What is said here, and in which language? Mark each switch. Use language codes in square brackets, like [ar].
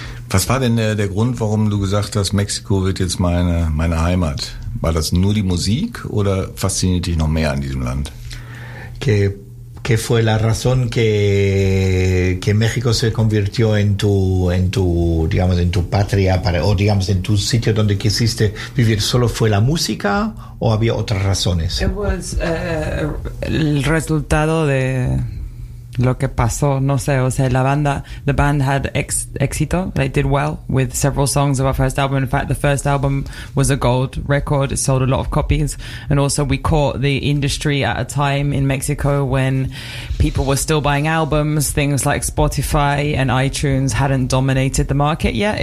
[de] Was war denn der Grund, warum du gesagt hast, Mexiko wird jetzt meine Heimat? War das nur die Musik oder fasziniert dich noch mehr an diesem Land? [es] ¿Qué fue la razón que México se convirtió en tu patria o digamos en tu sitio donde quisiste vivir? ¿Solo fue la música o había otras razones? [en] It was [es] el resultado de lo que pasó, no sé, o sea, [en] the band had éxito, they did well with several songs of our first album. In fact, the first album was a gold record, it sold a lot of copies, and also we caught the industry at a time in Mexico when people were still buying albums, things like Spotify and iTunes hadn't dominated the market yet.